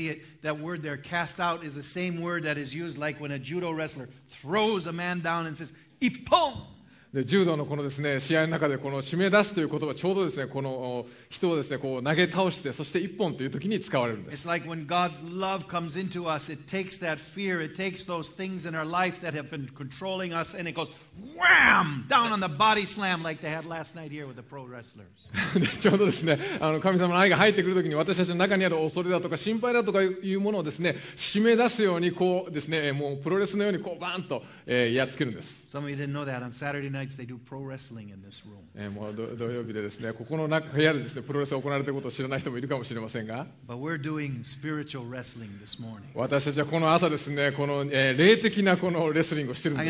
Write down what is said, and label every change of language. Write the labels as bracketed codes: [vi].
[en] You see, that word there, cast out, is the same word that is used like when a judo wrestler throws a man down and says, Ippon! [ja] で柔道のこのですね、試合の中でこの締め出すという言葉、ちょうどですね、この人をですね、こう投げ倒して、そして一本という時に使われるんです。 [en] It's like when God's love comes into us, it takes that fear, it takes those things in our life that have been controlling us, and it goes wham! Down on the body slam like they had last night here with the pro wrestlers. [ja] でちょうどですね、神様の愛が入ってくる時に、私たちの中にある恐れだとか心配だとかいうものをですね、締め出すようにこうですね、もうプロレスのようにこうバーンと、やっつけるんです。 [en] Some of you didn't know that on Saturday nights they do pro wrestling in this room. [ja] もう土曜日でですね、ここの中部屋でですね、プロレスが行われていることを知らない人もいるかもしれませんが。 [en] But we're doing spiritual wrestling this morning. [ja] 私たちはこの朝ですね、この、霊的なこのレスリングをしてるんです。